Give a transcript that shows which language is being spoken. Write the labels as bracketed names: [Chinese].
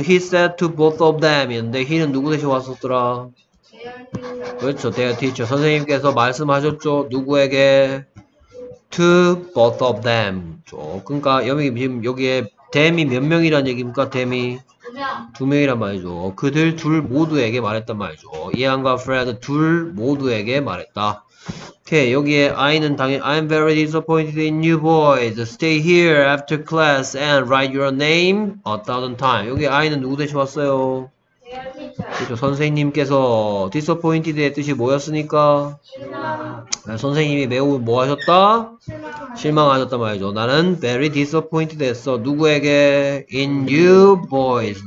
[English] He said to both of them [Korean] 인데, he는 누구 대신 왔었더라? 그렇죠. [English] Their teacher. [Korean] 선생님께서 말씀하셨죠. 누구에게? [English] To both of them. [Korean] 그러니까 여기에 them이 몇 명이란 얘기입니까? them이 두 명이란 말이죠. 그들 둘 모두에게 말했단 말이죠. Ian과 Fred 둘 모두에게 말했다. 오케이. 여기에 I는 당연히 [English] I'm very disappointed in you boys. Stay here after class and write your name 1000 times. [Korean] 여기 I는 누구 대신 왔어요? 그렇죠. 선생님께서 disappointed의 뜻이 뭐였으니까 선생님이 매우 뭐 하셨다? 실망하셨단 말이죠. 나는 very disappointed 했어. 누구에게? [English] In you boys.